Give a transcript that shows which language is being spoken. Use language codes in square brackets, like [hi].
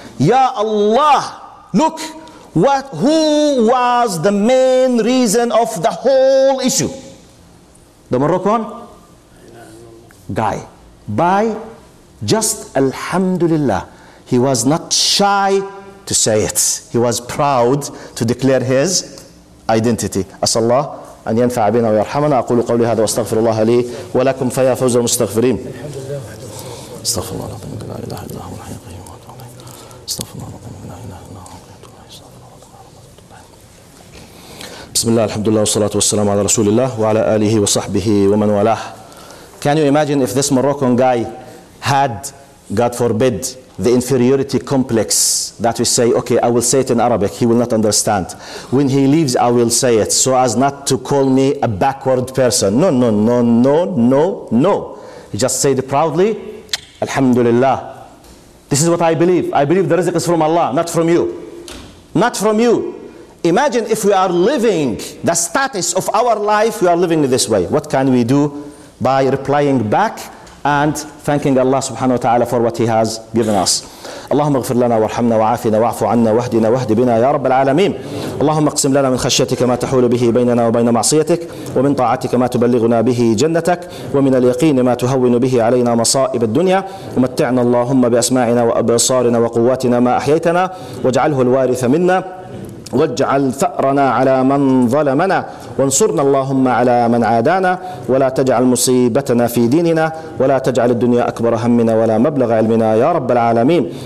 [en] Ya Allah, look, who was the main reason of the whole issue? The Moroccan guy. By just Alhamdulillah, he was not shy to say it. He was proud to declare his identity. Asallah. [ar] أن ينفع بنا ويرحمنا أقول قولي هذا واستغفر الله لي ولكم فيا فوز المستغفرين استغفر الله العظيم لا إله إلا هو الحي القيوم استغفر الله العظيم لا إله إلا هو بسم الله الحمد لله والصلاة والسلام على رسول الله وعلى آله وصحبه ومن والاه. [en] Can you imagine if this Moroccan guy had, God forbid, the inferiority complex that we say, okay, I will say it in Arabic, he will not understand. When he leaves, I will say it so as not to call me a backward person. No, no, no, no, no, no. He just said proudly, Alhamdulillah. This is what I believe. I believe the rizq is from Allah, not from you. Not from you. Imagine if we are living the status of our life, we are living this way. What can we do by replying back and thanking Allah subhanahu wa ta'ala for what he has given us. [ar] اللهم اغفر لنا وارحمنا وعافنا واعف عنا واهدنا واهد بنا يا رب العالمين. اللهم اقسم لنا من خشيتك ما تحول به بيننا وبين معصيتك ومن طاعتك ما تبلغنا به جنتك ومن اليقين ما تهون به علينا مصائب الدنيا. ومتعنا اللهم بأسماعنا وأبصارنا وقواتنا ما أحييتنا واجعله الوارث منا واجعل ثأرنا على من ظلمنا وانصرنا اللهم على من عادانا ولا تجعل مصيبتنا في ديننا ولا تجعل الدنيا أكبر همنا ولا مبلغ علمنا يا رب العالمين.